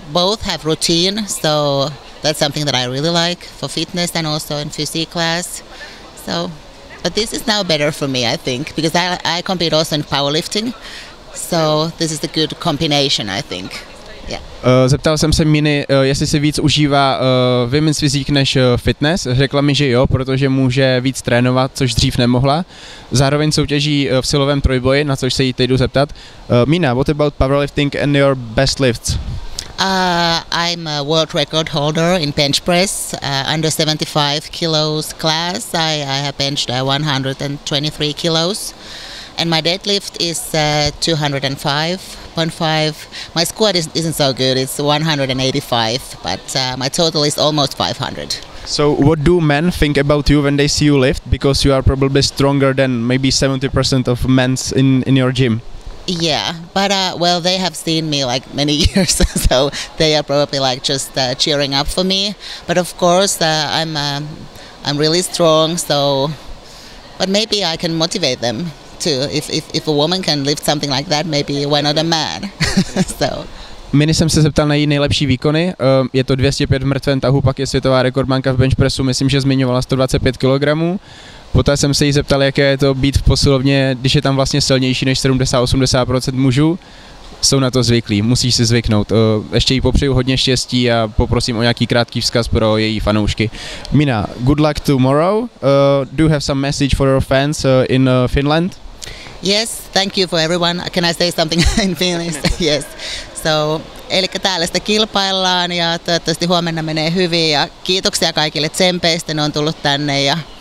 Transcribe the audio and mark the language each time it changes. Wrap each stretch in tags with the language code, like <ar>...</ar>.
<en>Both have routine, so that's something that I really like for fitness and also in physique class. So, but this is now better for me, I think, because I compete also in powerlifting, so this is a good combination, I think.</en> <cs>Zeptal jsem se Miny, jestli si víc užívá women's physique než fitness. Řekla mi, že jo, protože může víc trénovat, což dřív nemohla. Zároveň soutěží v silovém trojboji, na což se jí teď jdu zeptat.</cs> <en>Mina, what about powerlifting and your best lifts? I'm a world record holder in bench press, under 75 kilos class. I have benched 123 kilos. And my deadlift is 205.5. My squat isn't so good, it's 185, but my total is almost 500. So what do men think about you when they see you lift? Because you are probably stronger than maybe 70% of men in your gym. Yeah, but well, they have seen me like many years, so they are probably like just cheering up for me. But of course, I'm really strong, so, but maybe I can motivate them. Too. If a woman can lift something like that, maybe why not a man? So.</en> <cs>Mini jsem se zeptal na její nejlepší výkony. Je to 205 v mrtvém tahu, pak je světová rekordmanka v benchpressu, myslím, že zmiňovala 125 kg. Poté jsem se jí zeptal, jaké je to být v posilovně, když je tam vlastně silnější než 70-80% mužů. Jsou na to zvyklí, musíš si zvyknout. Ještě jí popřeju hodně štěstí a poprosím o nějaký krátký vzkaz pro její fanoušky.</cs> <en>Mina, good luck tomorrow. Do you have some message for your fans in Finland? Yes, thank you for everyone. Can I say something in Finnish? Yes.</en> <fi>So, eli tällaista kilpaillaan ja toivottavasti huomenna menee hyvin ja kiitoksia kaikille tsempeistä, ne on tullut tänne ja</fi>